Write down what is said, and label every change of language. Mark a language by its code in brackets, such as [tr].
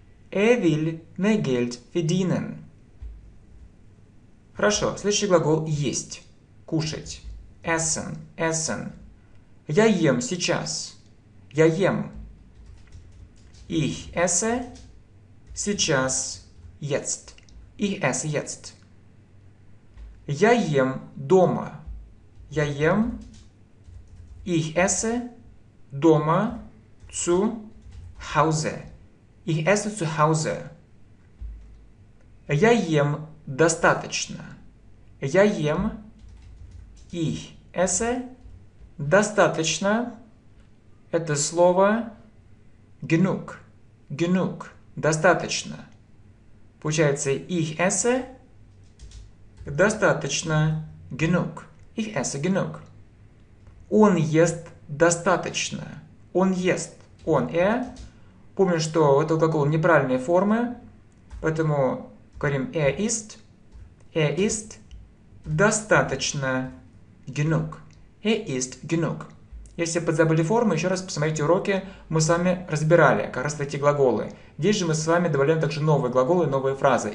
[de] Er will mehr Geld verdienen. [ru] Хорошо, следующий глагол есть. Кушать. [de] Essen. Essen. [ru] Я ем сейчас. Я ем. [de] Ich esse [ru] сейчас. [de] Jetzt. Ich esse jetzt. [ru] Я ем дома. Я ем. [de] Ich esse [ru] дома [de] zu Hause. Ich esse zu Hause. [ru] Я ем достаточно. Я ем. [de] Ich esse [ru] достаточно. Это слово [de] genug. Genug. [ru] Достаточно. Получается, [de] ich esse [ru] достаточно [de] genug. Ich esse genug. [ru] Он ест достаточно. Он ест. Он [de] er. [ru] Помню, что у этого глагола неправильные формы, поэтому говорим [de] er ist. Er ist [ru] достаточно [de] genug. Er ist genug. [ru] Если подзабыли формы, еще раз посмотрите уроки, мы с вами разбирали как раз эти глаголы. Здесь же мы с вами добавляем также новые глаголы, новые фразы.